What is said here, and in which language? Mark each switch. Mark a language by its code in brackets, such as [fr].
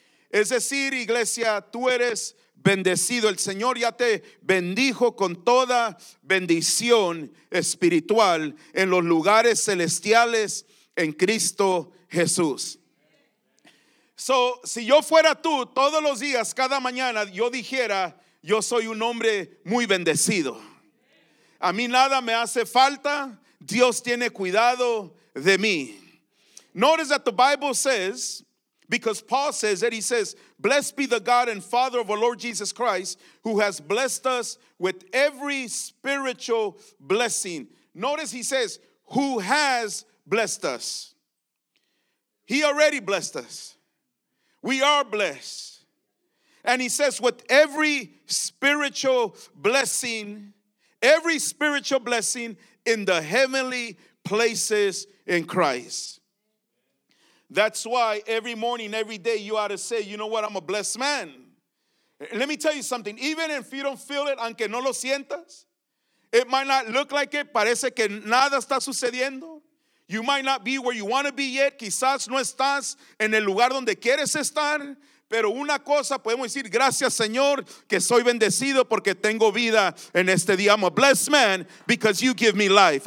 [es] Es decir, iglesia, tú eres bendecido. El Señor ya te bendijo con toda bendición espiritual en los lugares celestiales en Cristo Jesús. So, si yo fuera tú, todos los días, cada mañana, yo dijera, yo soy un hombre muy bendecido. A mí nada me hace falta. Dios tiene cuidado de mí. [en] Notice that the Bible says, because Paul says it, he says, blessed be the God and Father of our Lord Jesus Christ, who has blessed us with every spiritual blessing. Notice he says, who has blessed us. He already blessed us. We are blessed. And he says, with every spiritual blessing in the heavenly places in Christ. That's why every morning, every day, you ought to say, you know what, I'm a blessed man. Let me tell you something. Even if you don't feel it, [es] aunque no lo sientas, [en] it might not look like it, [es] parece que nada está sucediendo. [en] You might not be where you want to be yet. [es] Quizás no estás en el lugar donde quieres estar. Pero una cosa podemos decir, gracias Señor, que soy bendecido porque tengo vida en este día. [en] I'm a blessed man because you give me life.